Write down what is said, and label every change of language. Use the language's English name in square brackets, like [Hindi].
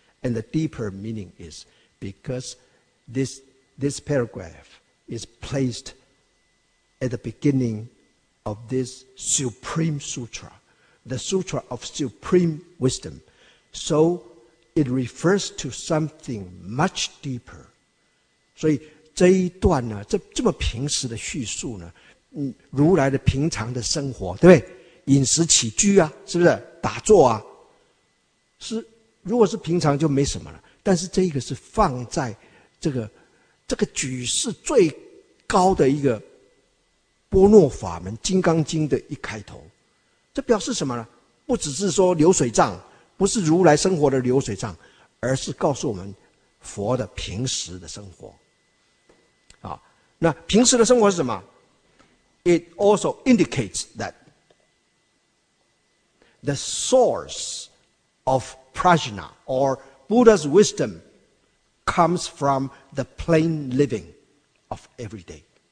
[English] And the deeper meaning is because this paragraph is placed at the beginning of this supreme sutra, the sutra of supreme wisdom. So it refers to something much deeper. [Chinese] 所以这一段呢，这么平时的叙述呢，如来的平常的生活，对不对？饮食起居啊，是不是打坐啊？是，如果是平常就没什么了。但是这个是放在这个举世最高的一个般若法门《金刚经》的一开头，这表示什么呢？不只是说流水账，不是如来生活的流水账，而是告诉我们佛的平时的生活。那平时的生活是什么？ [English] It also indicates that the source of prajna or Buddha's wisdom comes from the plain living of everyday.